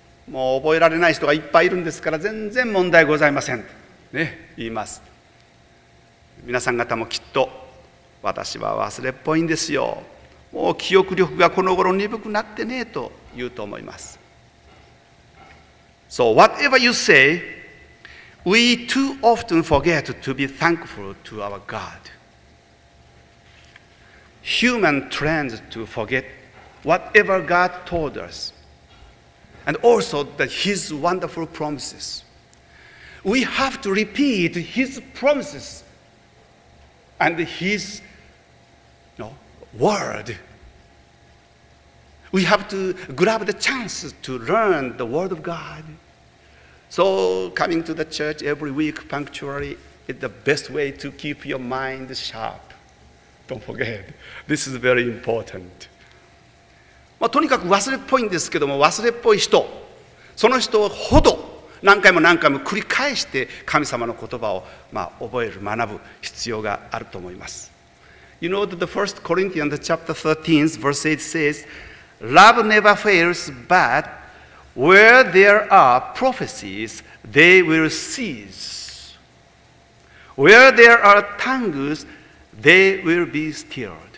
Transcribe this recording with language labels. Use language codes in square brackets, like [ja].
[ja] もう覚えられない人がいっぱいいるんですから、全然問題ございません。ね、言います。皆さん方もきっと、私は忘れっぽいんですよ、もう記憶力がこの頃鈍くなってねえと言うと思います。 [en] So whatever you say, we too often forget to be thankful to our God. Human trends to forget whatever God told us and also that his wonderful promises. We have to repeat his promises and his word. We have to grab the chance to learn the word of God. So coming to the church every week punctually is the best way to keep your mind sharp. Don't forget. This is very important. [ja] まあ、とにかく忘れっぽいんですけども、忘れっぽい人、その人ほど何回も何回も繰り返して神様の言葉を、まあ、覚える、学ぶ必要があると思います。 [en] You know that the 1 Corinthians chapter 13 verse 8 says, Love never fails, but where there are prophecies, they will cease. Where there are tongues, they will be stilled.